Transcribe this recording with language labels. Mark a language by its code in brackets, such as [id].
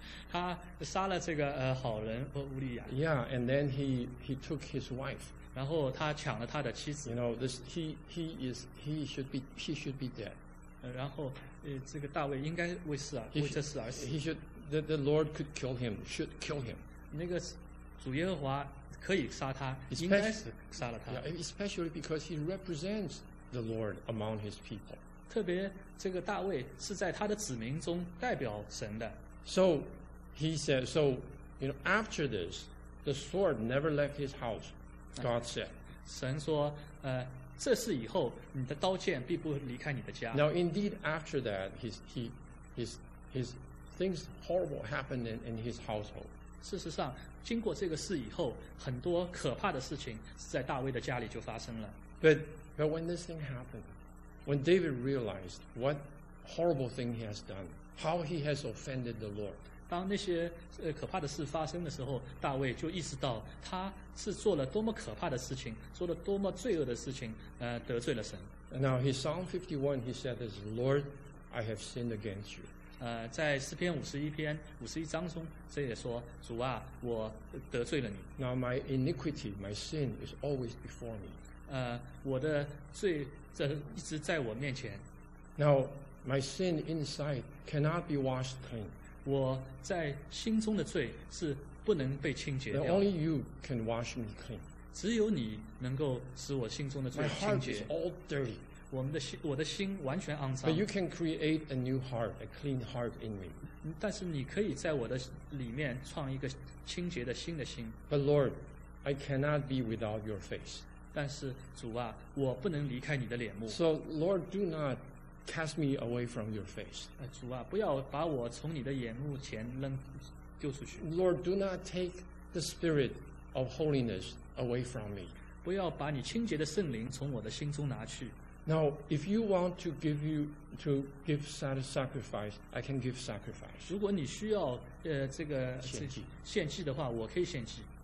[zh] 他杀了这个好人乌利亚。 [en] Yeah, and then he took his wife. [zh] 然后他抢了他的妻子。 [en] You know, he should be dead. [zh] 然后这个大卫应该为死而为这事而死。 [en] The Lord could kill him, should kill him. [zh] 那个主耶和华可以杀他，应该是杀了他。 [en] Yeah, especially because he represents the Lord among his people. [zh] 特别这个大卫是在他的子民中代表神的。 [en] So he said, so you know, after this, the sword never left his house. God said, [zh] 神说，这事以后，你的刀剑必不离开你的家。 [en] Now indeed, after that, his things horrible happened in his household. [zh] 事实上，经过这个事以后，很多可怕的事情是在大卫的家里就发生了。 [en] But when this thing happened. When David realized what horrible thing he has done, how he has offended the Lord. [zh] 当那些可怕的事发生的时候，大卫就意识到他是做了多么可怕的事情，做了多么罪恶的事情，得罪了神。 [en] Now, in Psalm 51, he said this, Lord, I have sinned against you. [zh] 在诗篇五十一篇五十一章中，这也说，主啊，我得罪了你。 [en] Now, my iniquity, my sin is always before me. [zh] 我的罪这一直在我面前。 [en] Now, my sin inside cannot be washed clean. [zh] 我在心中的罪是不能被清洁掉。 [en] Now, only you can wash me clean. [zh] 只有你能够使我心中的罪清洁。 [en] My heart is all dirty. [zh] 我的心完全肮脏。 [en] But you can create a new heart, a clean heart in me. [zh] 但是你可以在我的里面创一个清洁的新的心。 [en] But Lord, I cannot be without your face. [zh] 但是主啊，我不能离开你的脸目。 [en] So Lord, do not cast me away from your face. [zh] 主啊，不要把我从你的眼目前扔丢出去。 [en] Lord, do not take the spirit of holiness away from me. [zh] 不要把你清洁的圣灵从我的心中拿去。 [en] Now, if you want to give sacrifice, I can give sacrifice. [zh] 如果你需要这个献祭的话，我可以献祭。